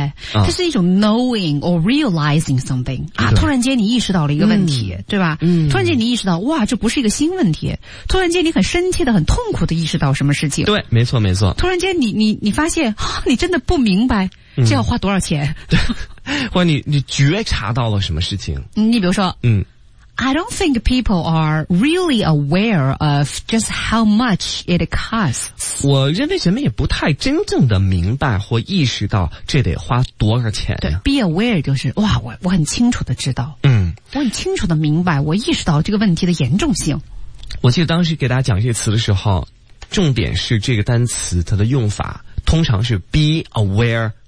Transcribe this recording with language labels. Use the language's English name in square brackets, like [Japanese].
[Chinese] 哎，它是一种 [English] knowing or realizing something [Chinese] 啊，突然间你意识到了一个问题，嗯、对吧？嗯，突然间你意识到，哇，这不是一个新问题。突然间你很深切的、很痛苦的意识到什么事情？对，没错，没错。突然间你发现，你真的不明白这要花多少钱？嗯、对。或者你觉察到了什么事情？你比如说，嗯 [English] ，I don't think people are really aware of just how much it costs。 [Chinese] 我认为人们也不太真正的明白或意识到这得花多少钱。对 ，be aware 就是哇，我很清楚的知道，嗯，我很清楚的明白，我意识到这个问题的严重性。我记得当时给大家讲这个词的时候，重点是这个单词它的用法，通常是 be aware。